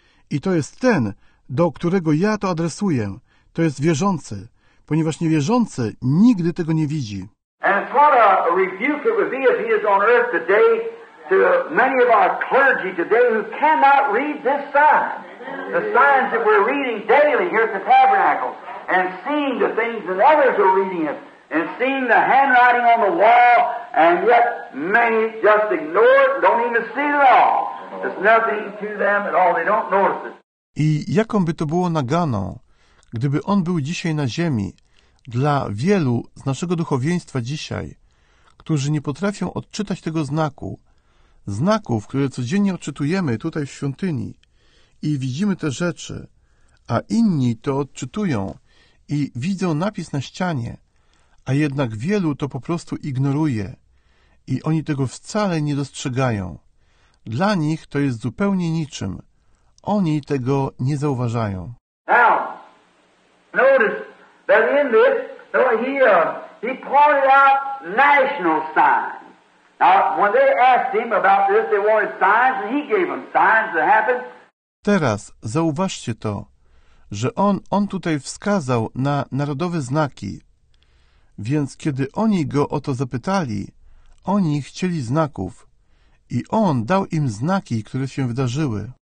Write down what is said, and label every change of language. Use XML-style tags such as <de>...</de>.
<pl>I to jest ten, do którego ja to adresuję. To jest wierzący, ponieważ niewierzący nigdy tego nie widzi.</pl> <en>And what a rebuke it would be if he is on earth today to many of our clergy today who cannot read this sign. The signs that we're reading daily here at the tabernacle and seeing the things that others are reading it and seeing the handwriting on the wall and yet many just ignore it and don't even see it at all. It's nothing to them at all. They don't notice it.</en> <pl>I jaką by to było nagano, gdyby on był dzisiaj na ziemi, dla wielu z naszego duchowieństwa dzisiaj, którzy nie potrafią odczytać tego znaku, znaków, które codziennie odczytujemy tutaj w świątyni i widzimy te rzeczy, a inni to odczytują i widzą napis na ścianie, a jednak wielu to po prostu ignoruje i oni tego wcale nie dostrzegają. Dla nich to jest zupełnie niczym. oni tego nie zauważają.</pl> <en>Now, notice that in this, he pointed out national signs. Now, when they asked him about this, they wanted signs, and he gave them signs that happened.</en> <pl>Teraz zauważcie to, że on tutaj wskazał na narodowe znaki. Więc kiedy oni go o to zapytali, oni chcieli znaków. I on dał im znaki, które się wydarzyły.</pl>